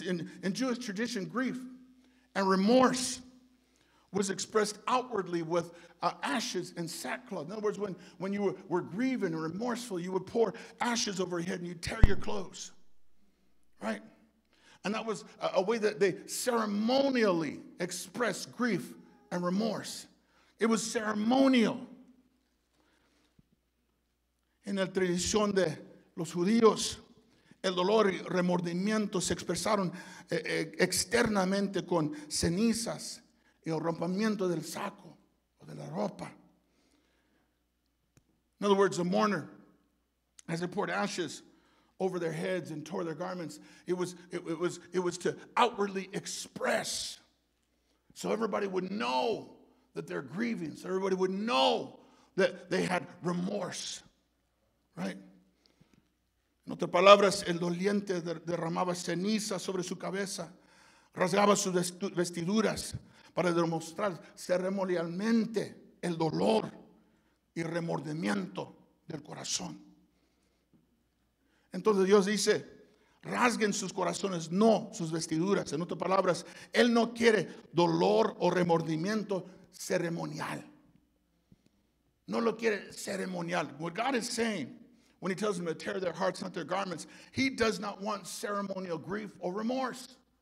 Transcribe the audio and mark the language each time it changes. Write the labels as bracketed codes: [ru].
[en] In Jewish tradition, grief and remorse was expressed outwardly with ashes and sackcloth. In other words, when you were grieving and remorseful, you would pour ashes over your head and you'd tear your clothes. Right? And that was a way that they ceremonially expressed grief and remorse. It was ceremonial. [es] En la tradición de los judíos, el dolor y remordimiento se expresaron externamente con cenizas y el rompimiento del saco o de la ropa. [en] In other words, the mourner, as they poured ashes over their heads and tore their garments, it was to outwardly express, so everybody would know that they're grieving, so everybody would know that they had remorse, right? [es] En otras palabras, el doliente derramaba ceniza sobre su cabeza, rasgaba sus vestiduras para demostrar ceremonialmente el dolor y remordimiento del corazón. Entonces Dios dice, rasguen sus corazones, no sus vestiduras. En otras palabras, Él no quiere dolor o remordimiento ceremonial. No lo quiere ceremonial. [en] What God is saying, when He tells them to tear their hearts, not their garments, He does not want ceremonial grief or remorse.